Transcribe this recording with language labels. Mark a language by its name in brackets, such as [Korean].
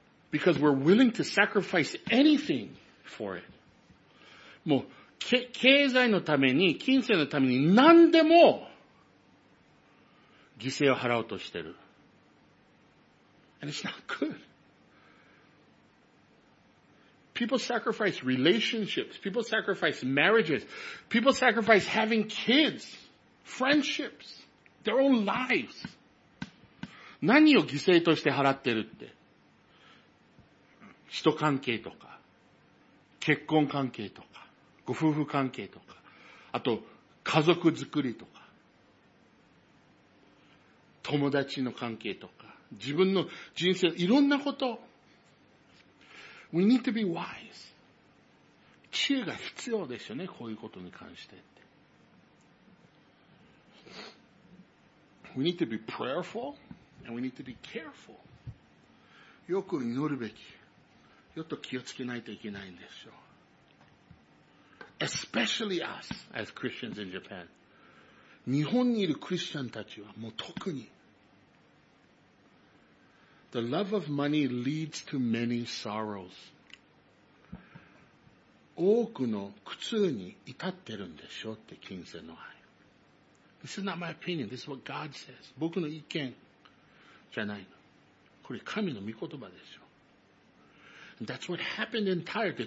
[English] Because we're willing to sacrifice anything for it. [Japanese] もう、経済のために、金銭のために何でも犠牲を払おうとしてる。 [English] And it's not good. People sacrifice relationships. People sacrifice marriages. People sacrifice having kids, friendships, their own lives. [Japanese] 何を犠牲として払ってるって。人関係とか、結婚関係とか。ご夫婦関係とか、あと家族作りとか、友達の関係とか、自分の人生、いろんなこと。 [English] We need to be wise. [Japanese] 知恵が必要ですよね、こういうことに関してって。 [English] We need to be prayerful and we need to be careful. [Japanese] よく祈るべき。よっと気をつけないといけないんですよ。 [English] Especially us as Christians in Japan. [Japanese] 日本にいるクリスチャンたちはもう特に。 [English] The love of money leads to many sorrows. [Japanese] 多くの苦痛に至ってるんでしょって金銭の愛。 [English] This is not my opinion. This is what God says. [Japanese] 僕の意見じゃないの。これ神の御言葉でしょ。 [English] That's what happened in Tyre. で、